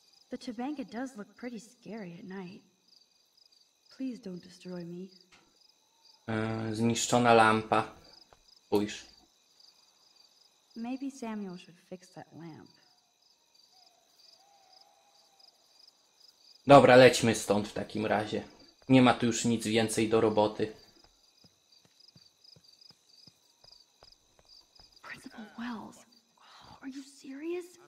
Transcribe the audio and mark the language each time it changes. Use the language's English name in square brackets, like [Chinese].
[English] The Chabanga does look pretty scary at night. Please don't destroy me. [Polish] Zniszczona lampa. Spójrz. [English] Maybe Samuel should fix that lamp. [Polish] Dobra, lećmy stąd w takim razie. Nie ma tu już nic więcej do roboty. [English] Principal Wells, are you serious?